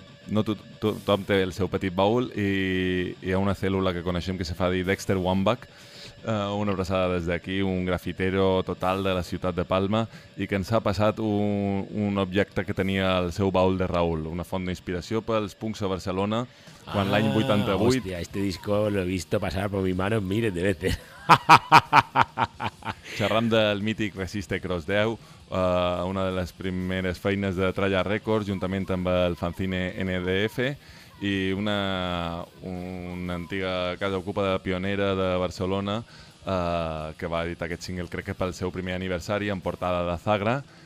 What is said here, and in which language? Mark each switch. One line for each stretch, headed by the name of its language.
Catalan: No tothom té el seu petit baúl i hi ha una cèl·lula que coneixem que se fa dir Dexter Wambach. Una abraçada des d'aquí, un grafitero total de la ciutat de Palma i que ens ha passat un objecte que tenia el seu baúl de Raúl, una font d'inspiració pels punks a Barcelona quan l'any 88...
Spanish: Hòstia, este disco lo he visto pasar por mi mano miles de veces.
Catalan: Xerram del mític Resiste Cross 10, una de les primeres feines de Tralla Records juntament amb el fanzine NDF i una antiga casa ocupada pionera de Barcelona que va editar aquest single, crec que pel seu primer aniversari, en portada de Zagra.